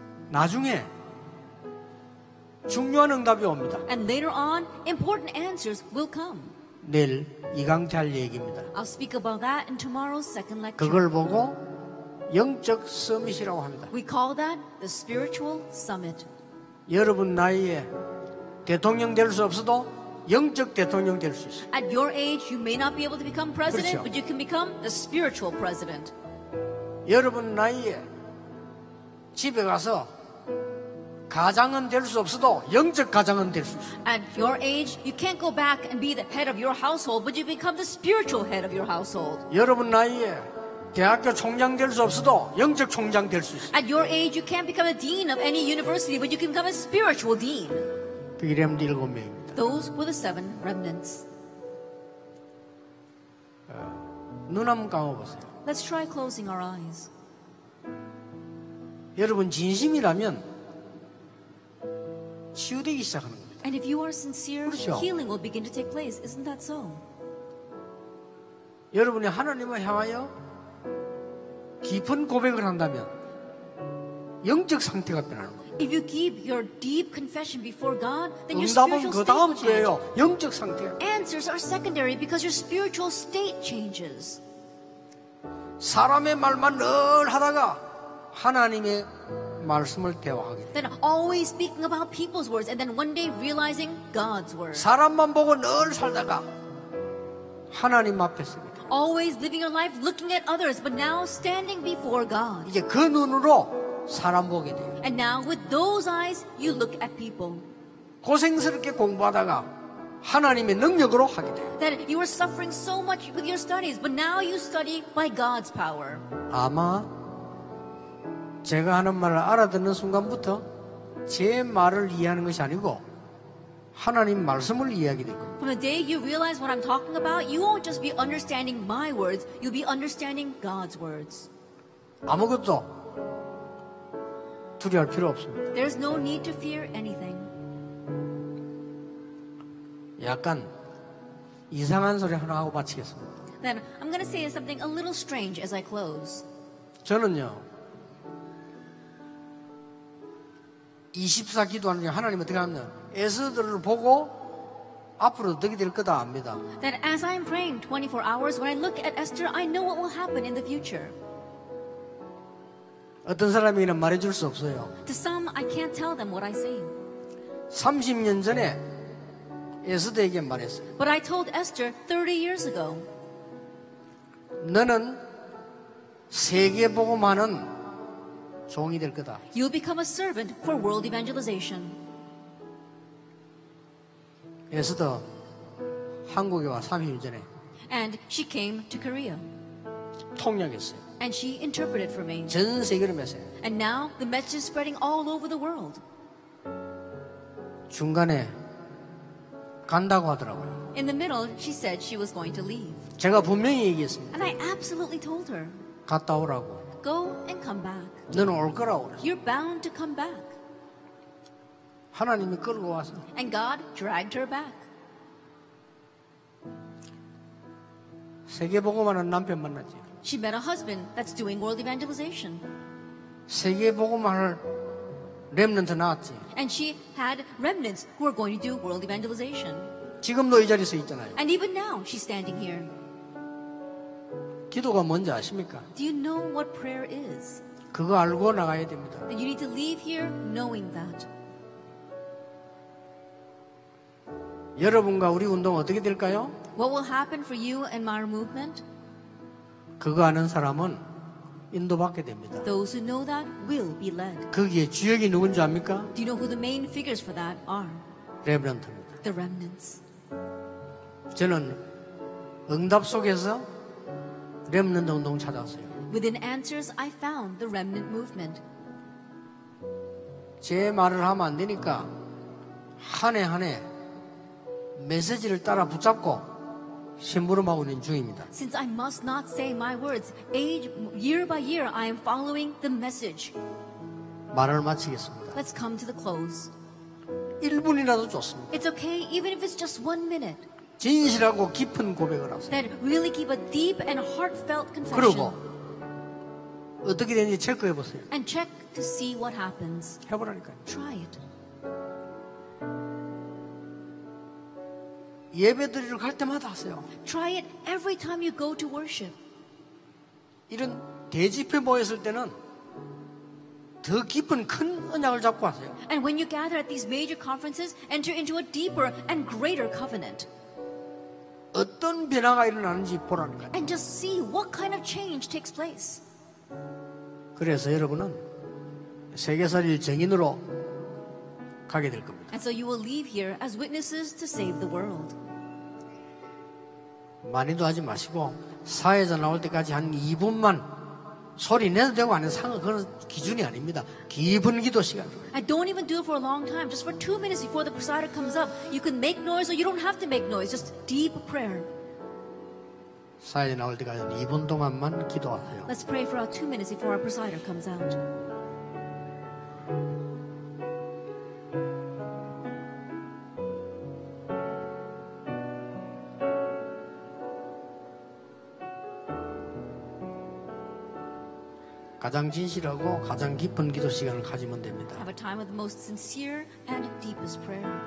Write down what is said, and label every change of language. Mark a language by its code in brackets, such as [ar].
[ko] 나중에 중요한 응답이 옵니다. [en] And later on, important answers will come. [ko] 내일 이강태 할 얘기입니다. [en] I'll speak about that in tomorrow's second lecture. [ko] 그걸 보고 영적 서밋이라고 합니다. [en] We call that the spiritual summit. [ko] 여러분 나이에 대통령 될 수 없어도 영적 대통령 될 수 있어요. [en] At your age, you may not be able to become president, [ko] 그렇죠. [en] but you can become the spiritual president. [ko] 여러분 나이에 집에 가서 가장은 될 수 없어도 영적 가장은 될 수 있어요. [en] At your age, you can't go back and be the head of your household, but you become the spiritual head of your household. [ko] 여러분 나이에 대학교 총장 될 수 없어도 영적 총장 될 수 있어요. [en] At your age, you can't become a dean of any university, but you can become a spiritual dean. [ko] 그게 렘드 일곱 명입니다. [en] Those were the seven remnants. [ko] 눈 한번 감아보세요. [en] Let's try closing our eyes. [ko] 여러분 진심이라면 치유되기 시작하는 겁니다. [en] And if you are sincere, [ko] 그렇죠? [en] healing will begin to take place. Isn't that so? [ko] 여러분이 하나님을 향하여 깊은 고백을 한다면 영적 상태가 변하는 겁니다. [en] If you keep your deep confession before God, then your spiritual state changes. Answers are secondary because your spiritual state changes. [ko] 사람의 말만 늘 하다가 하나님의 말씀을 대화하게. [en] Then always speaking about people's words and then one day realizing God's words. [ko] 사람만 보고 늘 살다가 하나님 앞에서. [en] Always living your life looking at others, but now standing before God. [ko] 이제 그 눈으로 사람 보게 돼요. [en] And now with those eyes you look at people. [ko] 고생스럽게 공부하다가 하나님의 능력으로 하게 돼요. [en] That you were suffering so much with your studies but now you study by God's power. [ko] 아마 제가 하는 말을 알아듣는 순간부터 제 말을 이해하는 것이 아니고 하나님 말씀을 이해하게 될 [en] From the day you realize what I'm talking about, you won't just be understanding my words, you'll be understanding God's words. [ko] 아무것도 두려워할 필요 없습니다. [en] There's no need to fear anything. [ko] 약간 이상한 소리 하나 하고 마치겠습니다. [en] Then I'm going to say something a little strange as I close. [ko] 저는요. 24 기도하는 중에 하나님 어떻게 하면 에스더를 보고 앞으로 어떻게 될 거다 압니다. [en] That as I'm praying 24 hours, when I look at Esther, I know what will happen in the future. [ko] 어떤 사람에게는 말해줄 수 없어요. [en] To some, I can't tell them what I see. [ko] 30년 전에 에스더에게 말했어요. [en] But I told Esther 30 years ago. [ko] 너는 세계복음하는 종이 될 거다. [en] You'll become a servant for world evangelization. [ko] 에스더 한국에 와 30년 전에 [en] And she came to Korea. [ko] 통역했어요. [en] And she interpreted for me. [ko] 전 세계로 메세요. [en] And now the message is spreading all over the world. [ko] 중간에 간다고 하더라고요. [en] In the middle, she said she was going to leave. [ko] 제가 분명히 얘기했습니다. [en] And I absolutely told her. [ko] 갔다 오라고. [en] Go and come back. [ko] 너는 올 거라고. [en] You're bound to come back. [ko] 하나님이 끌고 와서. [en] And God dragged her back. [ko] 세계복음하는 남편 만났지. [en] She met a husband that's doing world evangelization. [ko] 세계복음하는 렘넌트 낳았지. [en] And she had remnants who are going to do world evangelization. [ko] 지금도 이 자리에서 있잖아요. [en] And even now she's standing here. [ko] 기도가 뭔지 아십니까? [en] Do you know what prayer is? [ko] 그거 알고 나가야 됩니다. [en] Then you need to leave here knowing that. [ko] 여러분과 우리 운동 어떻게 될까요? [en] What will happen for you and my movement? [ko] 그거 아는 사람은 인도받게 됩니다. [en] Those who know that will be led. [ko] 거기에 주역이 누군지 압니까? [en] Do you know who the main figures for that are? [ko] 렘넌트입니다. [en] The remnants. [ko] 저는 응답 속에서 렘넌트 운동 찾았어요. [en] Within answers, I found the remnant movement. [ko] 제 말을 하면 안 되니까 한 해 한 해 메시지를 따라 붙잡고 심부름하고 있는 중입니다. [en] Since I must not say my words, age year by year, I am following the message. [ko] 말을 마치겠습니다. [en] Let's come to the close. [ko] 1분이라도 좋습니다. [en] It's okay, even if it's just one minute. [ko] 진실하고 깊은 고백을 하세요. [en] That really keep a deep and heartfelt confession. [ko] 그리고 어떻게 되는지 체크해 보세요. [en] And check to see what happens. [ko] 해보라니까요. [en] Try it. [ko] 예배드리러 갈 때마다 하세요. [en] Try it every time you go to worship. [ko] 이런 대집회 모였을 때는 더 깊은 큰 언약을 잡고 하세요. [en] And when you gather at these major conferences, enter into a deeper and greater covenant. [ko] 어떤 변화가 일어나는지 보라는 거예요. [en] And just see what kind of change takes place. [ko] 그래서 여러분은 세계사를 증인으로 가게 될 겁니다. [en] And so you will leave here as witnesses to save the world. [ko] 많이도 하지 마시고 사회에서 나올 때까지 한 2분만 소리 내도 되고 안 해도 상관없는 기준이 아닙니다. 깊은 기도 시간. [en] I don't even do it for a long time. Just for 2 minutes before the presider comes up, you can make noise or you don't have to make noise. Just deep prayer. [ko] 사회에 나올 때까지 한 2분 동안만 기도하세요. [en] Let's pray for our 2 minutes before our presider comes out. [ko] 가장 진실하고 가장 깊은 기도 시간을 가지면 됩니다. [en] Have a time of the most sincere and deepest prayer.